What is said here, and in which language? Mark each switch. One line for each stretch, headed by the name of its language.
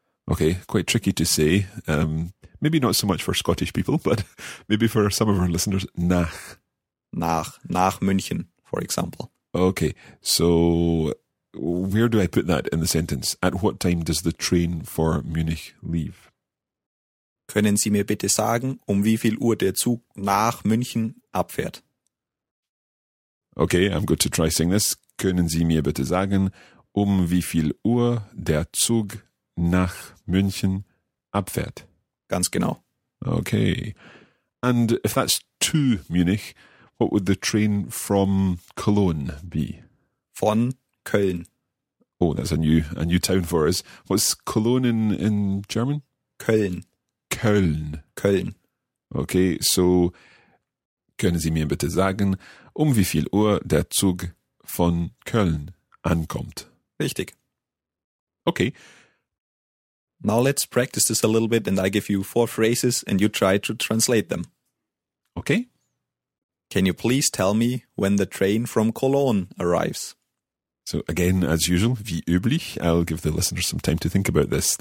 English: Okay, quite tricky to say. Maybe not so much for Scottish people, but maybe for some of our listeners, nach. Nach. Nach München, for example. Okay, so where do I put that in the sentence? At what time does the train for Munich leave?
German: Können Sie mir bitte sagen, wie viel Uhr der Zug nach München abfährt?
English: Okay, I'm going to try saying this.
German: Können Sie mir bitte sagen, wie viel Uhr der Zug nach München abfährt? Ganz genau.
English: Okay. And if that's to Munich, what would the train from Cologne be?
German: Von Köln.
English: Oh, that's a new town for us. What's Cologne in German?
German: Köln. Köln. Köln.
English: Okay, so
German: können Sie mir bitte sagen, wie viel Uhr der Zug von Köln ankommt? Richtig.
English: Okay. Now let's practice this a little bit and I give you four phrases and you try to translate them. Okay. Can you please tell me when the train from Cologne arrives? So again, as usual,
German: wie üblich,
English: I'll give the listeners some time to think about this.